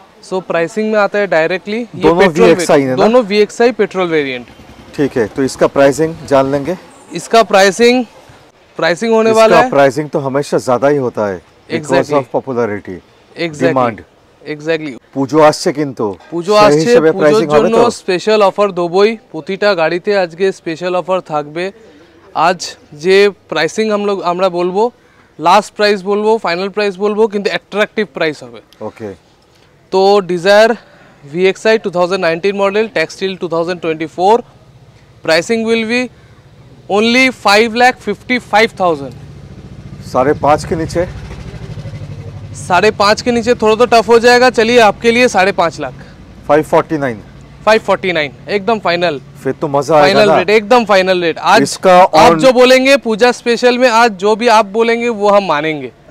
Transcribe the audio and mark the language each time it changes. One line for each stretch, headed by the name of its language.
Hindi: सो pricing में आता है डायरेक्टली दोनों VXI पेट्रोल वेरिएंट। ठीक है, तो इसका प्राइसिंग जान लेंगे। इसका प्राइसिंग होने वाला है, प्राइसिंग तो हमेशा ज्यादा ही होता है because of popularity demand. Exactly,
Bangla: পূজো আসছে, কিন্তু পূজো আসছে, পূজোর জন্য স্পেশাল অফার দোবই। প্রতিটা গাড়িতে আজকে স্পেশাল অফার থাকবে। আজ যে প্রাইসিং আমরা বলবো, লাস্ট প্রাইস বলবো, ফাইনাল প্রাইস বলবো, কিন্তু অ্যাট্রাকটিভ প্রাইস হবে। ওকে, তো desire VXI 2019 model, textile 2024,
English: Pricing will be only 5,55,000।
Bangla: সাড়ে পাঁচ কে নিচে,
Hindi: साढ़े पाँच के नीचे थोड़ा तो टफ हो जाएगा। चलिए आपके लिए 5,55,000। 549 एकदम फाइनल। फिर तो मजा आएगा ना। फाइनल रेट, एकदम फाइनल रेट। आज इसका आप जो बोलेंगे पूजा स्पेशल में, आज जो भी आप बोलेंगे वो हम मानेंगे।